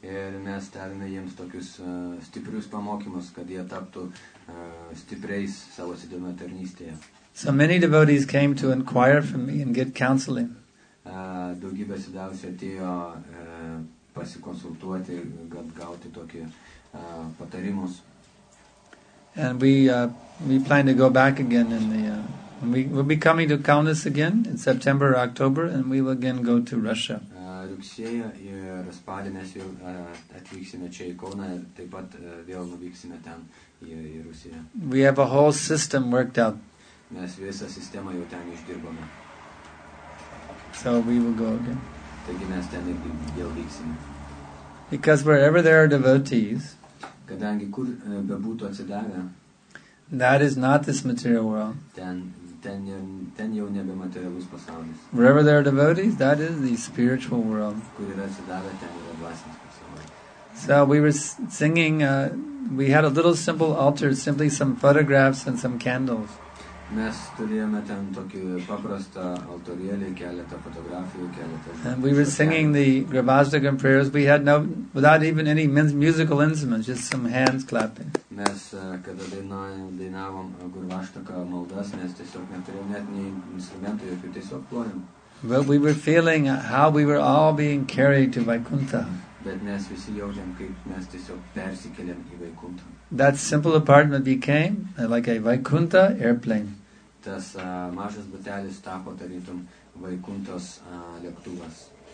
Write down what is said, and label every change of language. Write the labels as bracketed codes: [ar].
[lt] Ir mes davėme jiems tokius stiprius pamokymus, kad jie taptų stipriais savo sėdimo tarnystėje. [en] So many devotees came to inquire from me and get counseling. [lt] Daugybė sėdavusių atėjo pasikonsultuoti, kad gauti tokį patarimus. [en] And we plan to go back again in the We'll be coming to Kaunas again in September or October, and we will again go to Russia. [lt] rugsėjo ir spalį mes jau atvyksime čia į Kauną ir taip pat vėl nuvyksime ten į Rusiją. [en] We have a whole system worked out. [lt] Mes visą sistemą jau ten išdirbome. [en] So we will go again. [lt] Taigi mes ten ir vėl vyksime. [en] Because wherever there are devotees, [lt] kadangi kur bebūtų atsidavę, [en] that is not this material world. [lt] Ten jau nebe materialus pasaulis. [en] Wherever there are devotees, that is the spiritual world. [lt] Kur yra atsidavę, ten yra dvasinis pasaulis. [en] So we were singing, we had a little simple altar, simply some photographs and some candles. [lt] Mes turėjome ten tokį paprastą altorėlį, keletą fotografijų, keletą. [en] And we were singing the Gravastagam prayers. We had no, without even any musical instruments, just some hands clapping. [lt] Mes, kada dainavom Gravastagam maldas, mes tiesiog neturėjom net nei instrumentų, jokių, tiesiog plojom. [en] But we were feeling how we were all being carried to Vaikuntha. [lt] Bet mes visi jaučiam, kaip mes tiesiog persikeliam į Vaikuntą. [en] That simple apartment became like a Vaikuntha airplane. [lt] Tas mažas butelis tapo tarytum Vaikuntos lėktuvas.